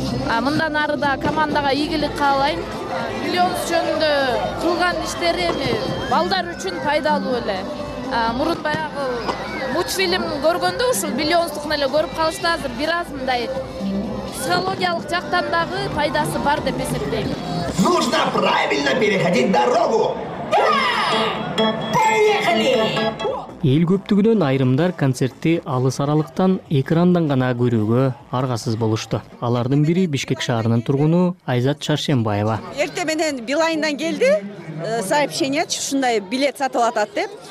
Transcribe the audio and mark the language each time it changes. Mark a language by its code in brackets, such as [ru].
[ky] А мындан ары да командага ийгилик каалайм. Миллионс жөнүндө кылган иштери эми балдар үчүн пайдалуу эле. Мурун баягы мультфильм көргөндө ушул миллионстукун эле көрүп калышты, азыр бир аз мындай психологиялык жактан дагы пайдасы бар деп эсептейм. [ru] Нужно правильно переходить дорогу. Поехали! [ky] Эл көптүгүнөн айрымдар концертти алыс аралыктан экрандан гана көрүүгө аргасыз болушту. Алардын бири Бишкек шаарынын тургуну Айзат Шаршембаева. Эрте менен Билайндан келди сообщение, ушундай билет сатып атат деп.